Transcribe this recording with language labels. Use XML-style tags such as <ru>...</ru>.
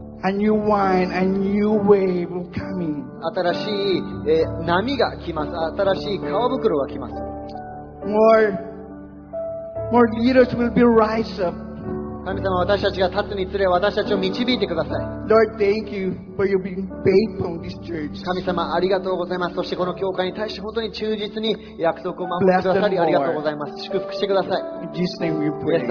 <en>A new wine, a new wave coming.</en> <ja>新しい、波が来ます。新しい川袋が来ます。</ja> <en>more leaders will be rise up.</en> <ja>神様、私たちが立つにつれ私たちを導いてください。</ja> <en>Lord, thank you for your being faithful in this church.</en> <ja>神様、ありがとうございます。そしてこの教会に対して本当に忠実に約束を守ってくださりありがとうございます。祝福してください。</ja>